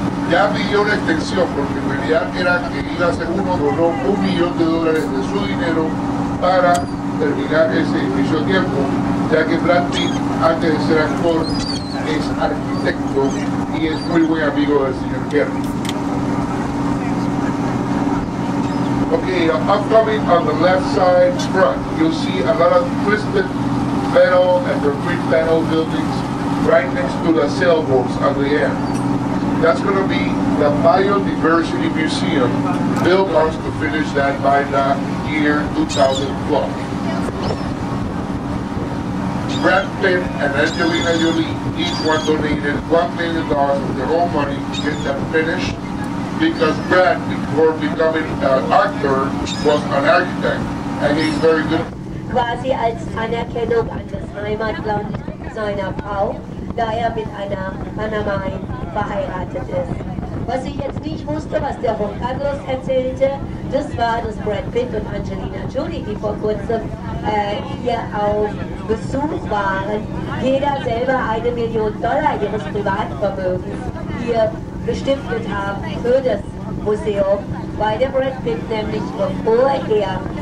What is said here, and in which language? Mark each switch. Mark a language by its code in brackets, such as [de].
[es] Ya pidió una extensión porque en realidad era que iba a ser uno, donó $1 millón de su dinero para terminar ese edificio a tiempo, ya que Brad Pitt, antes de ser actor, es arquitecto y es muy buen amigo del señor Gehry. [en] Okay, upcoming on the left side front, you'll see a lot of twisted metal and concrete panel buildings right next to the sailboats at the end. That's going to be the Biodiversity Museum. Bill wants to finish that by the year 2012. Brad Pitt and Angelina Jolie each one donated $1 million of their own money to get that finished, because Brad, before becoming an actor, was an architect, and he's very good. [de] Quasi als Anerkennung an das Heimatland seiner Frau, da mit einer Panamerin verheiratet ist. Was ich jetzt nicht wusste, was der Juan Carlos erzählte, das war, dass Brad Pitt und Angelina Jolie, die vor kurzem hier auf Besuch waren, jeder selber $1 million ihres Privatvermögens hier gestiftet haben für das Museum, weil der Brad Pitt nämlich vorher